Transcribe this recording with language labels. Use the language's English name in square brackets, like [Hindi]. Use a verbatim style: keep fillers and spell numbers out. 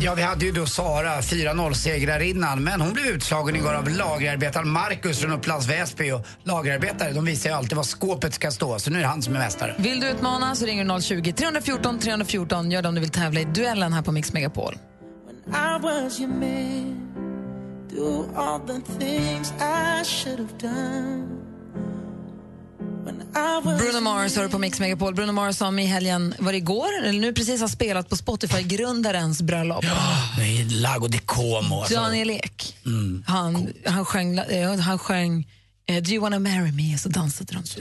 [Swedish] Ja, vi hade ju då Sara, fyra noll-segrarinnan, men hon blev utslagen igår av lagerarbetaren Marcus från Upplands Väsby. Och lagerarbetare, de visar ju alltid var skåpet ska stå, så nu är det han som är mästare. Vill du utmana så ringer du noll tjugo, tre fjorton, tre fjorton. Gör det om du vill tävla i duellen här på Mix Megapol. [English] When I was your man, do all the things I should have done. [Swedish] Bruno Mars hör på Mix Megapol. Bruno Mars som i helgen, var det igår eller nu precis, har spelat på Spotify-grundarens bröllop. Ja, i Lago di Como. Alltså. Daniel Ek. Mm. Han, han sjöng, han sjöng Do you wanna marry me? Så dansade de till